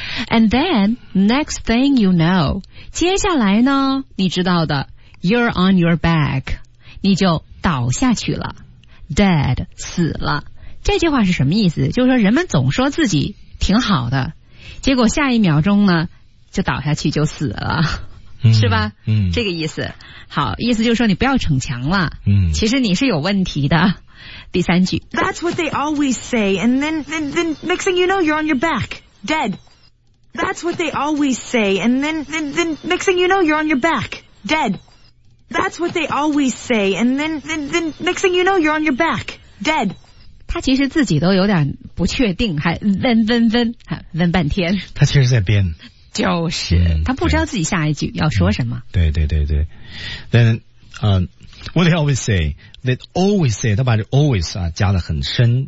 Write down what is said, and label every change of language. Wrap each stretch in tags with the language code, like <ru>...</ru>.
<en>And then next thing you know，</en> <zh>接下来呢，你知道的</zh> <en>，You're on your back，</en> <zh>你就倒下去了</zh> <en>，Dead</en> <zh>死了。这句话是什么意思？就是说人们总说自己挺好的。结果下一秒钟呢就倒下去就死了、是吧，这个意思。好，意思就是说你不要逞强了、其实你是有问题的。第三句</zh> <en>That's what they always say and then next thing you know you're on your back dead That's what they always say and then next thing you know you're on your back dead That's what they always say and then next thing you know you're on your back dead</en> <zh>他其实自己都有点不确定，还问半天。他其实在编，就是、他不知道自己下一句要说什么。对对对对 ，</zh> <en>then what they always say,</en> <zh>they always say， 他把这 always 啊加得很深。</zh>